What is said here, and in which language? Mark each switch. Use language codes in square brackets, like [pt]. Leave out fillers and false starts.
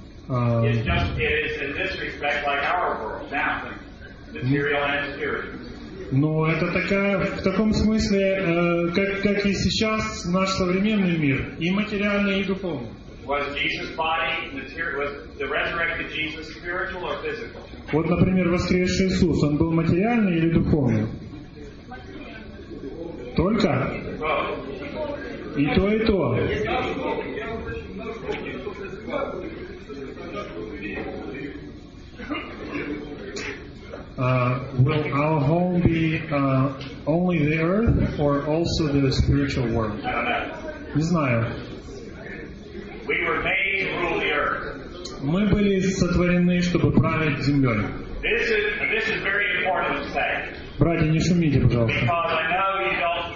[en] It is in this respect like our world now, material and spiritual. [ru] Но это такая в таком смысле, как и сейчас наш современный мир, и материальный, и духовный. [en] Was Jesus' body material? Was the resurrected Jesus spiritual or physical? [ru] Вот, например, воскресший Иисус, он был материальный или духовный? Только? И то, и то. [en] Will our home be only the earth or also the spiritual world? [ru] Не знаю. [en] We were made to rule the earth. [ru] Мы были сотворены, чтобы править землей. [en] This is very important to say. [ru] Братья, не шумите, пожалуйста.